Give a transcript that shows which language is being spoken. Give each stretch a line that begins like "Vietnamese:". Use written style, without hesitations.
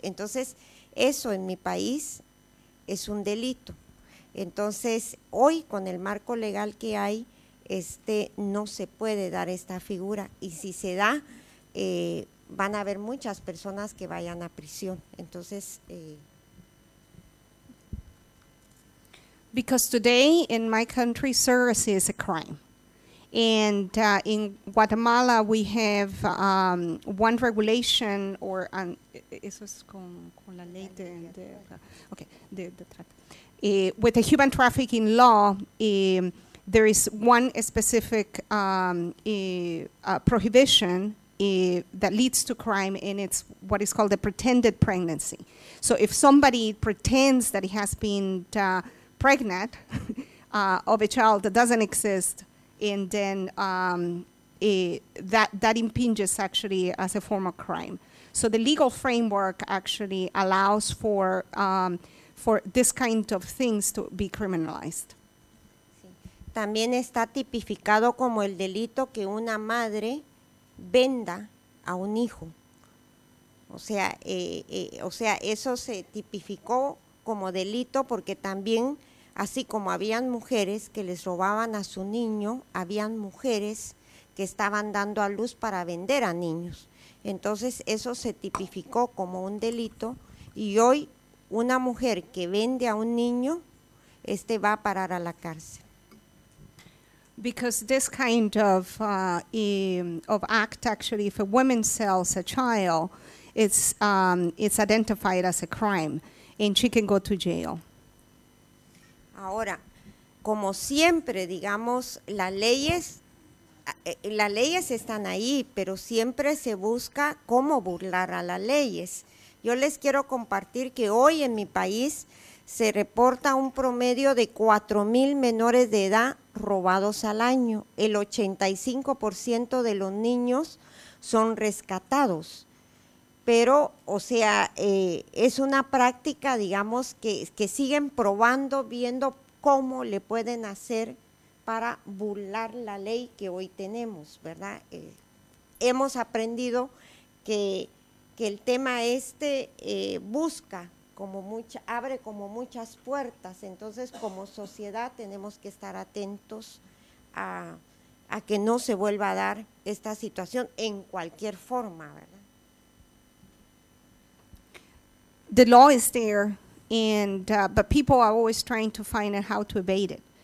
Spanish: Entonces, eso en mi país es un delito. Entonces, hoy con el marco legal que hay, no se puede dar esta figura. Y si se da, van a haber muchas personas que vayan a prisión. Entonces…
English: Because today in my country, surrogacy is a crime. And in Guatemala, we have one regulation or
Spanish: eso es con la ley
English: with the human trafficking law, there is one specific prohibition that leads to crime, and it's what is called a pretended pregnancy. So if somebody pretends that it has been pregnant of a child that doesn't exist, and then that impinges actually as a form of crime. So the legal framework actually allows for this kind of things to be criminalized.
Spanish: Sí. También está tipificado como el delito que una madre venda a un hijo. O sea, eso se tipificó como delito porque también, así como habían mujeres que les robaban a su niño, habían mujeres que estaban dando a luz para vender a niños. Entonces, eso se tipificó como un delito y hoy una mujer que vende a un niño, va a parar a la cárcel. Because this kind of act, actually, if a woman sells a child, it's identified as a crime and she can go to jail. Ahora, como siempre, digamos, las leyes están ahí, pero siempre se busca cómo burlar a las leyes. Yo les quiero compartir que hoy en mi país se reporta un promedio de 4,000 menores de edad robados al año. El 85% de los niños son rescatados. Pero, o sea, es una práctica, digamos, que siguen probando, viendo cómo le pueden hacer para burlar la ley que hoy tenemos, ¿verdad? Hemos aprendido que el tema este busca, abre como muchas puertas. Entonces, como sociedad, tenemos que estar atentos a que no se vuelva a dar esta situación en cualquier forma, ¿verdad?
English: The law is there, and but people are always trying to find out how to evade it.